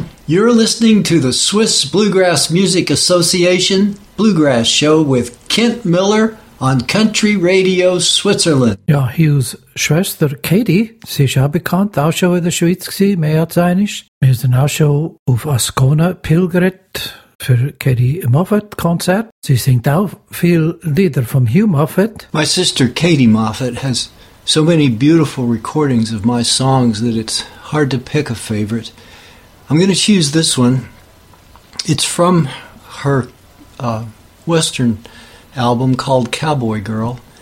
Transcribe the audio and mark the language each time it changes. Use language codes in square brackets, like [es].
[en] You're listening to the Swiss Bluegrass Music Association Bluegrass Show with Kent Miller on Country Radio Switzerland. [de] Ja, Hughes Schwester Katie, sie ist auch bekannt, auch schon in der Schweiz gewesen, mehr als einig. Wir sind auch schon auf Ascona pilgert für Katie Moffat Konzert. Sie singt auch viel Lieder vom Hugh Moffat. [en] My sister Katie Moffat has so many beautiful recordings of my songs that it's hard to pick a favorite. I'm going to choose this one. It's from her Western album called Cowboy Girl.